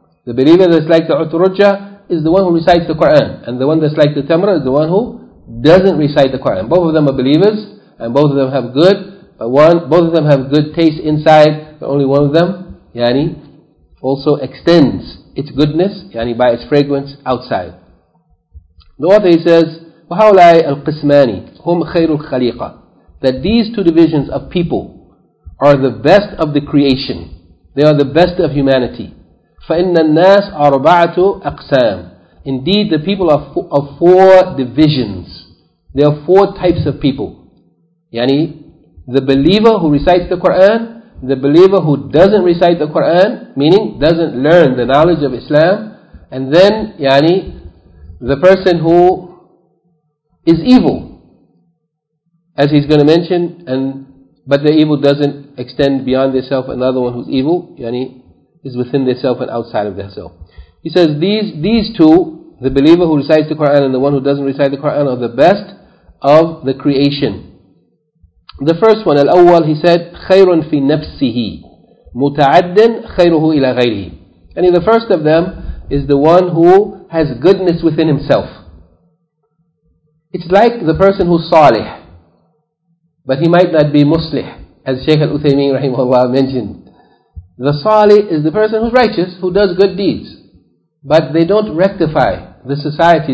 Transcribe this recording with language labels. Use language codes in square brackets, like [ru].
[en] The believer that's like the utrujja is the one who recites the Qur'an. And the one that's like the tamra is the one who doesn't recite the Qur'an. Both of them are believers, and both of them have good, but one, both of them have good taste inside, but only one of them, yani, also extends its goodness, yani, by its fragrance outside. [ar] The author, he says, وَهَوْلَاي الْقِسْمَانِ هُمْ خَيْرُ الْخَلِيقَ. [en] That these two divisions of people are the best of the creation. They are the best of humanity. [ar] فَإِنَّ النَّاسَ أَرْبَعَةُ أَقْسَامٍ. [en] Indeed, the people are of four divisions. There are four types of people. Yani, the believer who recites the Qur'an, the believer who doesn't recite the Qur'an, meaning doesn't learn the knowledge of Islam, and then, yani, the person who is evil, as he's going to mention, and but the evil doesn't extend beyond their self. Another one who's evil, yani, is within their self and outside of their self. He says these two, the believer who recites the Quran and the one who doesn't recite the Quran, are the best of the creation. The first one, al-awwal, he said, [ar] خَيْرٌ فِي نَفْسِهِ مُتَعَدٍ خَيْرُهُ إِلَى غَيْرِهِ. [en] And the first of them is the one who has goodness within himself. It's like the person who's salih. But he might not be muslih, as Shaykh Al-Uthaymeen rahimahullah mentioned. The salih is the person who's righteous, who does good deeds. But they don't rectify the society.